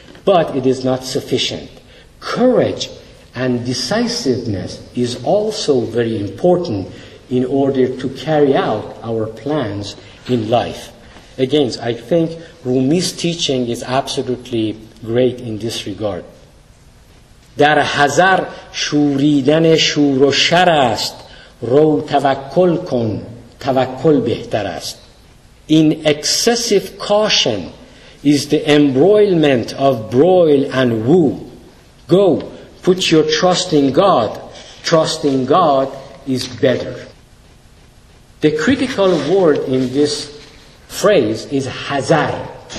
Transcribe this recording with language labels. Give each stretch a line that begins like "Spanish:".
English: But it is not sufficient. Courage and decisiveness is also very important in order to carry out our plans in life. Again, I think Rumi's teaching is absolutely great in this regard.
Persian: در هزار شوریدن شور و شر است رو توکل کن توکل بهتر است.
English: In excessive caution is the embroilment of broil and woo. Go, put your trust in God. Trust in God is better. The critical word in this phrase is hazar.